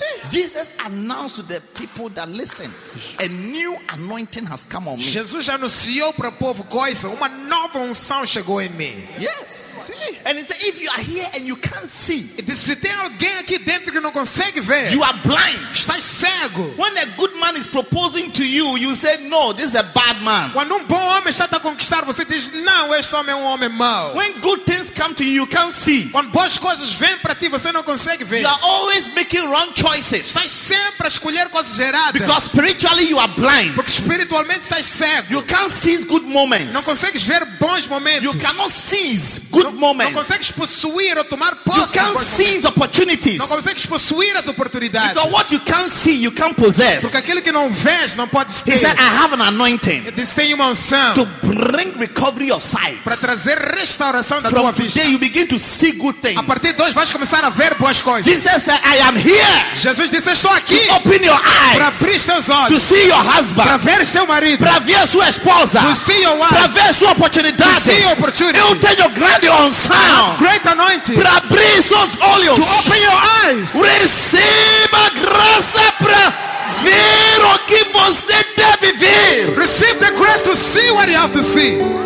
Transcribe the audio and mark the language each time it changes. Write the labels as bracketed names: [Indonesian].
[English] Jesus announced to the people that listen, a new anointing has come on me. [Portuguese] Jesus anunciou para o povo, coisa, uma nova unção chegou em mim. [English] Yes. [Portuguese] Sim. [English] And he said, if you are here and you can't see, [Portuguese] se tem alguém aqui dentro que não consegue ver, [English] you are blind. [Portuguese] Estás cego. [English] When a good man is proposing to you, you say, no, this is a bad man. [Portuguese] Quando bom homem está a conquistar, você diz, não, este homem homem mau. [English] When good things come to you, you can't see. [Portuguese] Quando boas coisas vêm para ti, você não consegue ver. [English] You are always making wrong choices. [Portuguese] Estás sempre a escolher coisas erradas. [English] Because spiritually you are blind. [Portuguese] Porque espiritualmente estás cego. [English] You can't seize good moments. [Portuguese] Não consegues ver bons momentos. [English] You cannot seize good moments. [Portuguese] Não consegues possuir ou tomar posse. [English] You can't seize opportunities. [Portuguese] Não consegues possuir as oportunidades. [English] Because what you can't see, you can't possess. [Portuguese] Porque aquilo que não vês, não podes ter. [English] He said, I have an anointing. [Portuguese] Ele disse, tenho uma unção. [English] To bring recovery of sight. [Portuguese] Para trazer restauração da [English] From [Portuguese] tua vista. [English] Today you begin to see good things. [Portuguese] A partir de hoje vais começar a ver boas coisas. [English] Jesus said, I am here. [Portuguese] Jesus disse, eu estou aqui. [English] To open your eyes. [Portuguese] Para abrir seus olhos. [English] To see your husband. [Portuguese] Para ver seu marido. Para ver sua esposa. [English] To see your wife. [Portuguese] Para ver sua oportunidade. [English] To see your opportunity. [Portuguese] Eu tenho grande unção. [English] Great anointing. [Portuguese] Para abrir seus olhos. [English] To open your eyes. [Portuguese] Receba graça para ver o que você deve ver. [English] Receive the grace to see what you have to see.